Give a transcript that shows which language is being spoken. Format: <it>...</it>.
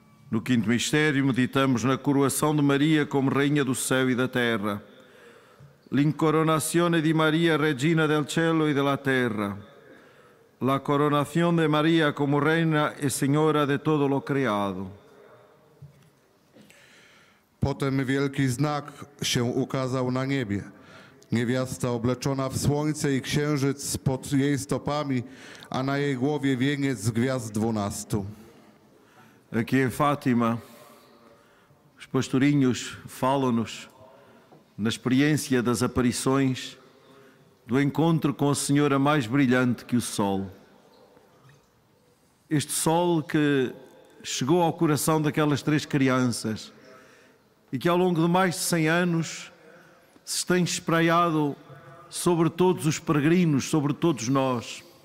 <pt>No quinto mistério, meditamos na coroação de Maria como Rainha do Céu e da Terra.</pt> <it>L'incoronazione di Maria, Regina del Cielo e della Terra.</it> <es>La coronazione de Maria como Reina e Senhora de todo lo creado.</es> <pl>Potem wielki znak się ukazał na niebie. Niewiasta obleczona w słońce i księżyc pod jej stopami, a na jej głowie wieniec z gwiazd dwunastu.</pl> <pt>Aqui em Fátima, os pastorinhos falam-nos na experiência das aparições do encontro com a Senhora mais brilhante que o Sol. Este Sol que chegou ao coração daquelas três crianças e que ao longo de mais de 100 anos se tem espraiado sobre todos os peregrinos, sobre todos nós.</pt>